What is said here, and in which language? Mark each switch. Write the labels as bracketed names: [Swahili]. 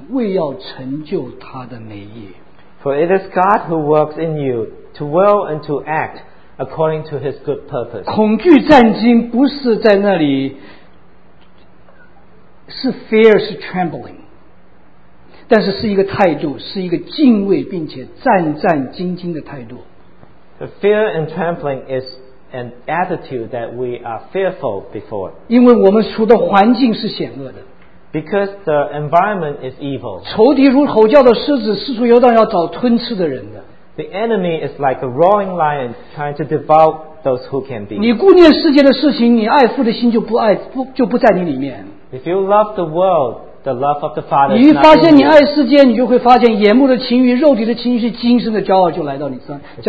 [Chinese] 因为你们立志行事都是神在你们心里运行，为要成就他的美意。 [English] For it is God who works in you to will and to act according to his good purpose. [Chinese] 恐惧战惊不是在那里, 是 fear, 是 trembling, 但是是一个态度, 是一个敬畏并且战战兢兢的态度。 [English] The fear and trembling is an attitude that we are fearful before. [Chinese] 因为我们处的环境是险恶的。 [English] Because the environment is evil. [Chinese] 仇敌如吼叫的狮子, 四处游荡要找吞吃的人的。 [English] The enemy is like a roaring lion trying to devour those who can be. [Chinese] 你顾念世界的事情, 你爱父的心就不在你里面。 [English] If you love the world, the love of the Father is not in you. [Chinese] 你一发现你爱世界, 你就会发现 眼目的情欲, 肉体的情欲, 今生的骄傲就来到你身上。